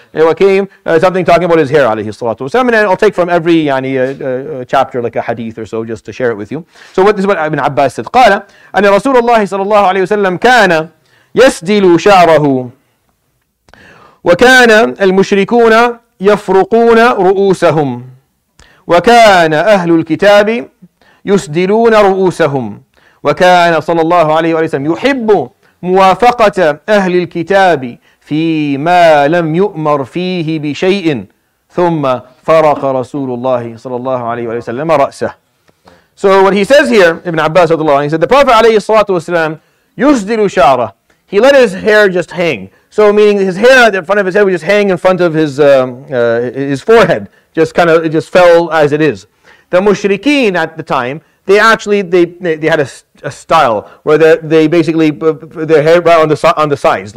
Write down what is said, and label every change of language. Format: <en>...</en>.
<en>It came something talking about his hair alayhi salatu wasalam. And I'll take from every chapter like a hadith or so just to share it with you. So what is what Ibn Abbas said.</en> <ar>قال أن رسول الله صلى الله عليه وسلم كان يسدل شعره وكان المشركون يفرقون رؤوسهم وكان أهل الكتاب يسدلون رؤوسهم وكان صلى الله عليه وسلم يحب موافقة أهل الكتاب فيما لم يؤمر فيه بشيء ثم فرق رسول الله صلى الله عليه وسلم رأسه.</ar> <en>So what he says here, Ibn Abbas, he said, the Prophet alayhi salatu wasalam,</en> <ar>yusdilu sha'ra,</ar> <en>he let his hair just hang. So meaning his hair at the front of his head would just hang in front of his forehead. Just kind of, it just fell as it is. The mushrikeen at the time, they had a style where they basically put their hair right on the sides.</en>